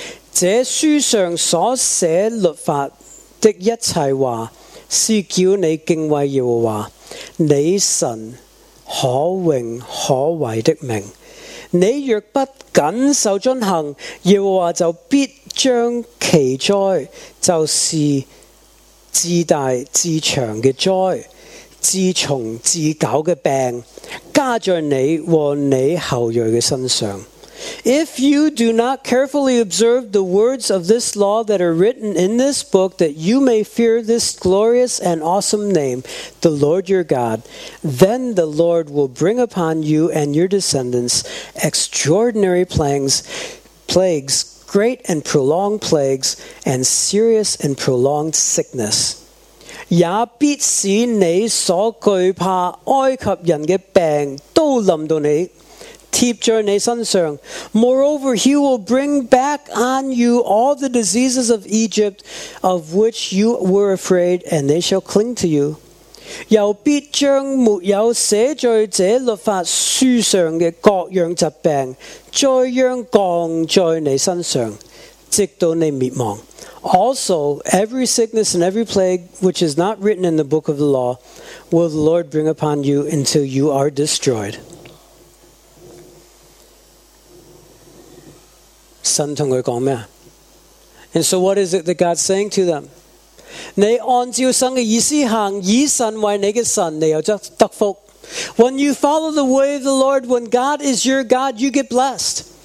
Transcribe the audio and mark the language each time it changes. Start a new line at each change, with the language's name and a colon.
Chinese: 这书上所写律法的一切话, 是叫你敬畏耶和华，你神可荣可畏的名。你若不谨守遵行，耶和华就必将其灾，就是自大自长的灾，自从自久的病，加在你和你后裔的身上。
English: If you do not carefully observe the words of this law that are written in this book, that you may fear this glorious and awesome name, the Lord your God, then the Lord will bring upon you and your descendants extraordinary plagues, great and prolonged plagues, and serious and prolonged sickness.
Chinese: 也必使你所惧怕埃及人的病都临到你。 깊절 내 선생.
English: Moreover, he will bring back on you all the diseases of Egypt of which you were afraid, and they shall cling to you.
Chinese: 又必将没有死罪者律法书上的各样疾病再样降在你身上直到你灭亡。
English: Also, every sickness and every plague which is not written in the book of the law will the Lord bring upon you until you are destroyed.
Chinese: 神跟他说什么?
English: And so what is it that God's saying to them?
Chinese: 你按照神的意思行,以神为你的神,你就得福。
English: When you follow the way of the Lord, when God is your God, you get blessed.